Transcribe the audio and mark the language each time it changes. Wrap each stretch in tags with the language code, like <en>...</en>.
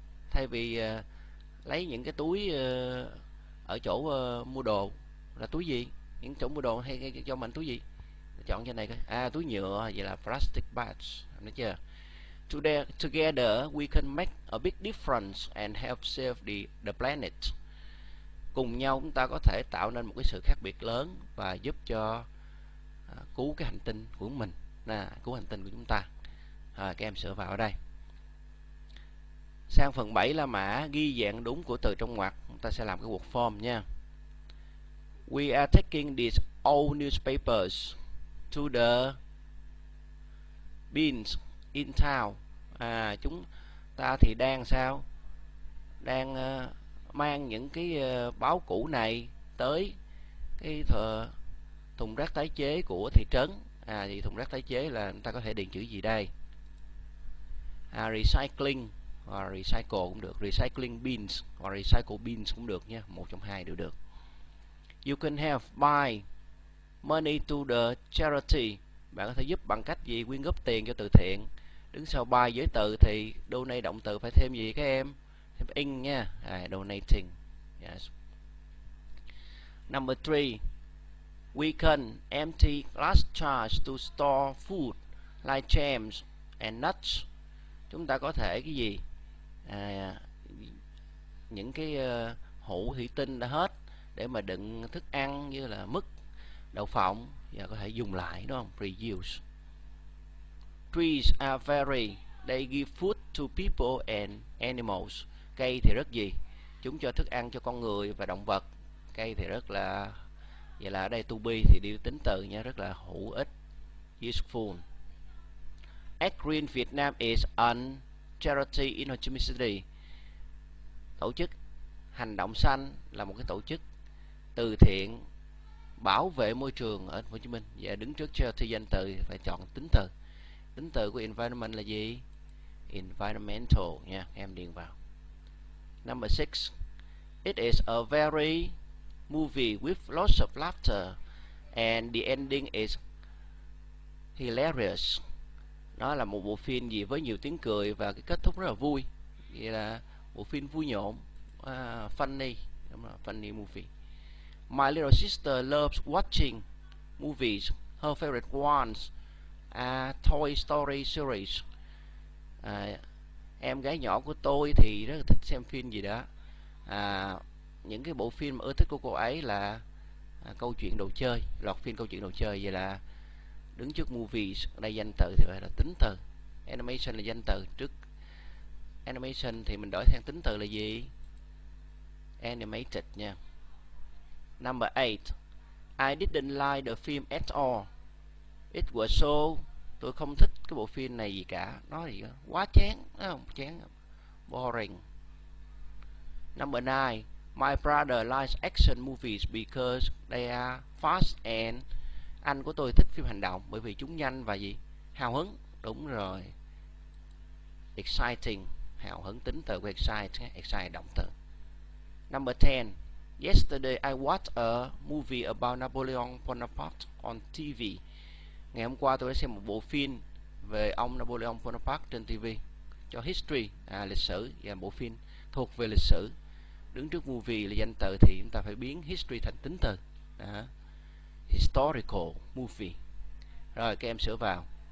<vi>Thay vì lấy những cái túi ở chỗ mua đồ. Là túi gì? Những chỗ mua đồ hay cho mình túi gì? Chọn trên này coi. À, túi nhựa, vậy là plastic bags. Nói chưa?</vi> <en>Together we can make a big difference and help save the planet.</en> <vi>Cùng nhau chúng ta có thể tạo nên một cái sự khác biệt lớn và giúp cho cứu cái hành tinh của mình, nè, cứu hành tinh của chúng ta. Rồi, các em sửa vào ở đây. Sang phần 7 là mã ghi dạng đúng của từ trong ngoặc. Chúng ta sẽ làm cái word form nha.</vi> <en>We are taking these old newspapers to the bins in town.</en> <vi>À, chúng ta thì đang sao? Đang mang những cái báo cũ này tới cái thùng rác tái chế của thị trấn. À, thì thùng rác tái chế là chúng ta có thể điền chữ gì đây? À, recycling hoặc recycle cũng được. Recycling bins hoặc recycle bins cũng được nha. Một trong hai đều được.</vi> <en>You can help by money to the charity.</en> <vi>Bạn có thể giúp bằng cách gì? Quyên góp tiền cho từ thiện. Đứng sau by giới từ thì donate động từ phải thêm gì các em? Thêm in nha. À,</vi> <en>donating. Yes. Number 3. We can empty glass jars to store food like jams and nuts.</en> <vi>Chúng ta có thể cái gì? À, những cái hũ thủy tinh đã hết để mà đựng thức ăn như là mứt, đậu phộng và có thể dùng lại đúng không?</vi> <en>Reuse. Trees are very, they give food to people and animals.</en> <vi>Cây thì rất gì? Chúng cho thức ăn cho con người và động vật. Cây thì rất là, vậy là ở đây to be thì đi tính từ nha, rất là hữu ích, useful.</vi> <en>Ad Green Vietnam is a charity in Ho Chi Minh City.</en> <vi>Tổ chức Hành Động Xanh là một cái tổ chức từ thiện bảo vệ môi trường ở Hồ Chí Minh. Và đứng trước charity danh từ phải chọn tính từ. Tính từ của environment là gì? Environmental nha, em điền vào.</vi> <en>Number 6. It is a very movie with lots of laughter and the ending is hilarious.</en> <vi>Nó là một bộ phim gì với nhiều tiếng cười và cái kết thúc rất là vui. Vậy là bộ phim vui nhộn, funny, đúng không? Funny movie.</vi> <en>My little sister loves watching movies. Her favorite ones Toy Story series.</en> <vi>À, em gái nhỏ của tôi thì rất là thích xem phim gì đó. À, những cái bộ phim mà ưa thích của cô ấy là câu chuyện đồ chơi, loạt phim câu chuyện đồ chơi. Vậy là đứng trước movies, đây danh từ thì gọi là tính từ. Animation là danh từ, trước animation thì mình đổi sang tính từ là gì? Animated nha.</vi> <en>Number 8. I didn't like the film at all. It was so.</en> <vi>Tôi không thích cái bộ phim này gì cả. Nó gì quá chán, không? Chán. Boring.</vi> <en>Number 9. My brother likes action movies because they are fast and</en> <vi>anh của tôi thích phim hành động bởi vì chúng nhanh và gì? Hào hứng. Đúng rồi. Exciting. Hào hứng, tính từ của excite, excite động từ.</vi> <en>Number 10. Yesterday I watched a movie about Napoleon Bonaparte on TV.</en> <vi>Ngày hôm qua tôi đã xem một bộ phim về ông Napoleon Bonaparte trên TV. Cho history, lịch sử, và bộ phim thuộc về lịch sử. Đứng trước movie là danh từ thì chúng ta phải biến history thành tính từ. Đó. Historical movie. Rồi các em sửa vào.</vi>